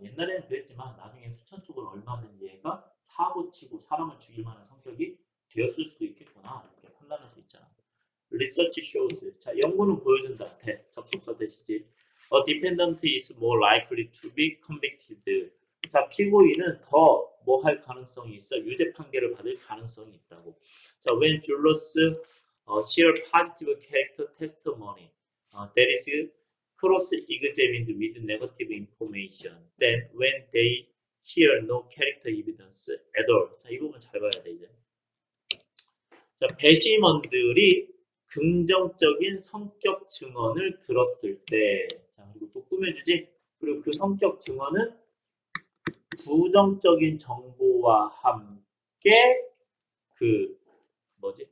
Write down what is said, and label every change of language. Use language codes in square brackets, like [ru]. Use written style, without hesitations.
[ko] 옛날에는 그랬지만 나중에 수천 쪽은 얼마든지 얘가 사고치고 사람을 죽일 만한 성격이 되었을 수도 있겠구나 이렇게 판단할 수 있잖아. [en] Research shows. [ko] 자, 연구는 보여준다. 접속사 되시지. [en] A dependent is more likely to be convicted. [ko] 자, 피고인은 더뭐할 가능성이 있어? 유죄 판결을 받을 가능성이 있다고. [en] 자, when jurors hear positive character testimony, that is cross-examined with negative information, then when they hear no character evidence at all. [ko] 자, 이 부분 잘 봐야 돼, 이제. 자, 배심원들이 긍정적인 성격 증언을 들었을 때, 자, 그리고 또 꾸며주지. 그리고 그 성격 증언은 부정적인 정보와 함께 그 뭐지?